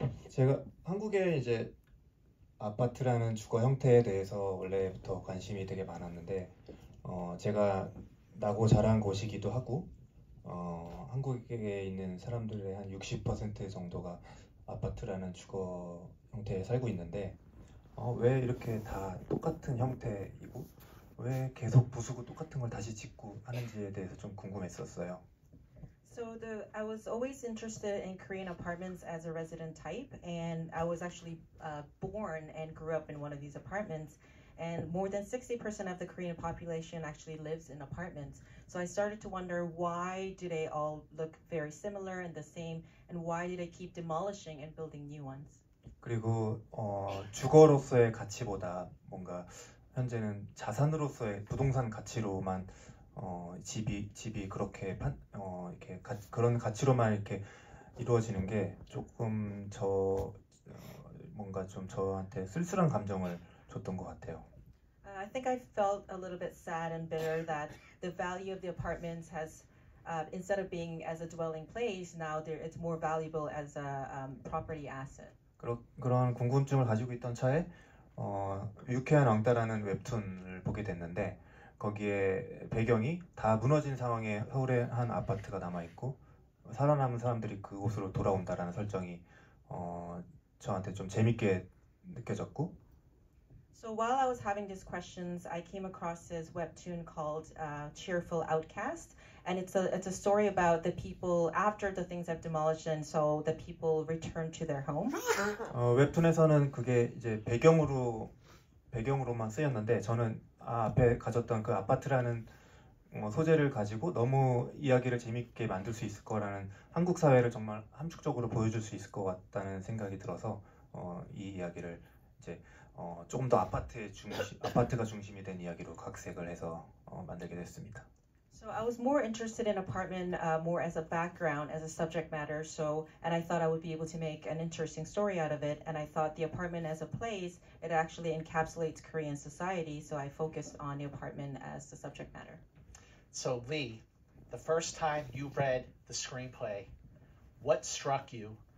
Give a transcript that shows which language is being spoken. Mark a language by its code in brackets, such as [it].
[ko] 제가 한국의 이제 아파트라는 주거 형태에 대해서 원래부터 관심이 되게 많았는데, 제가 나고 자란 곳이기도 하고, 한국에 있는 사람들의 한60% 정도가 아파트라는 주거 형태에 살고 있는데, 왜 이렇게 다 똑같은 형태이고, 왜 계속 부수고 똑같은 걸 다시 짓고 하는지에 대해서 좀 궁금했었어요. [en] So I was always interested in Korean apartments as a resident type, and I was actually born and grew up in one of these apartments. And more than 60% of the Korean population actually lives in apartments. So I started to wonder why do they all look very similar and the same, and why do they keep demolishing and building new ones? [ko] 그리고 주거로서의 가치보다 뭔가 현재는 자산으로서의 부동산 가치로만 집이 그렇게 판, 어 이렇게 가, 그런 가치로만 이렇게 이루어지는 게 조금 뭔가 좀 저한테 쓸쓸한 감정을 줬던 것 같아요. [en] I think I felt a little bit sad and bitter that the value of the apartments has, instead of being as a dwelling place, now it's more valuable as a property asset. [ko] 그런 궁금증을 가지고 있던 차에 유쾌한 왕따라는 웹툰을 보게 됐는데 거기에 배경이 다 무너진 상황에 서울의 한 아파트가 남아 있고 살아남은 사람들이 그곳으로 돌아온다라는 설정이 저한테 좀 재밌게 느껴졌고 [en] So while I was having these questions, I came across this webtoon called Cheerful Outcast, and it's a story about the people after the things have demolished, and so the people return to their home. [ko] 웹툰에서는 그게 이제 배경으로만 쓰였는데 저는 앞에 가졌던 그 아파트라는 소재를 가지고 너무 이야기를 재밌게 만들 수 있을 거라는 한국 사회를 정말 함축적으로 보여줄 수 있을 것 같다는 생각이 들어서 이 이야기를 이제 조금 더 아파트가 중심이 된 이야기로 각색을 해서 만들게 됐습니다. [en] So I was more interested in apartment more as a background, as a subject matter. So, and I thought I would be able to make an interesting story out of it. And I thought the apartment as a place, it actually encapsulates Korean society. So I focused on the apartment as the subject matter. So Lee, the first time you read the screenplay, what struck you?